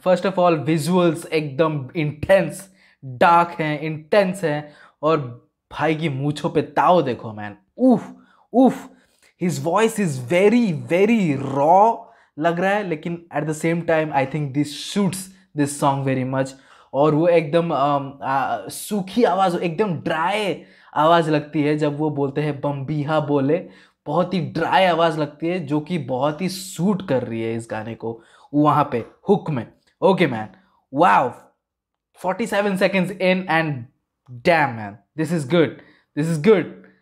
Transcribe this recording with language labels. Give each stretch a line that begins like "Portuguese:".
English: First of all, visuals
Hindi: एकदम
English: intense, dark
Hindi: हैं, intense हैं, और भाई की मूछों पे ताव देखो, man. Oof.
English: His voice is very, very raw
Hindi: लग रहा है, लेकिन
English: at the same time, I think this suits this song very much.
Hindi: और वो एकदम सूखी आवाज, एकदम dry आवाज लगती है जब वो बोलते हैं बम्बीहा बोले, बहुत ही dry आवाज लगती है, जो कि बहुत ही suit कर रही है इस गाने को वहां पे हुक में.
English: Okay man, wow, 47 seconds in and damn man, this is good.